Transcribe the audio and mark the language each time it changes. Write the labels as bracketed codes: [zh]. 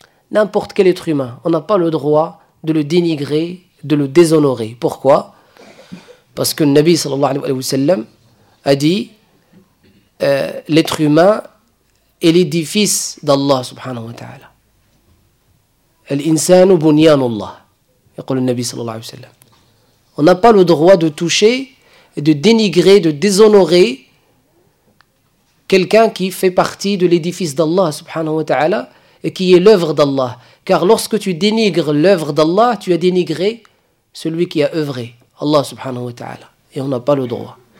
[fr] N'importe quel être humain, on n'a pas le droit de le dénigrer, de le déshonorer. Pourquoi ? Parce que le Nabi sallallahu alayhi wa sallam a dit l'être humain est l'édifice d'Allah subhanahu wa ta'ala. [ar] Al-insanu bunyanullah, يقول النبي صلى الله عليه وسلم. [fr] On n'a pas le droit de toucher, de dénigrer, de déshonorer quelqu'un qui fait partie de l'édifice d'Allah subhanahu wa ta'ala et qui est l'œuvre d'Allah. Car lorsque tu dénigres l'œuvre d'Allah, tu as dénigré celui qui a œuvré, Allah subhanahu wa ta'ala. Et on n'a pas le droit.